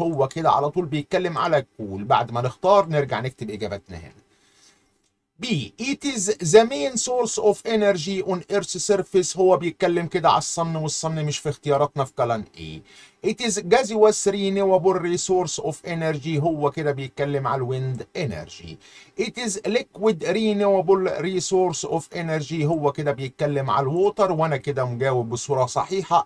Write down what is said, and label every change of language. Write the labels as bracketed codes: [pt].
[ar] هو كده على طول بيتكلم على cool. بعد ما نختار نرجع نكتب اجابتنا هنا. [en] B. It is the main source of energy on Earth's surface. [ar] هو بيتكلم كده على الصن، والصن مش في اختياراتنا في كلان A. [en] It is gaseous renewable resource of energy. [ar] هو كده بيتكلم على wind energy. [en] It is liquid renewable resource of energy. [ar] هو كده بيتكلم على water. وانا كده مجاوب بصورة صحيحة.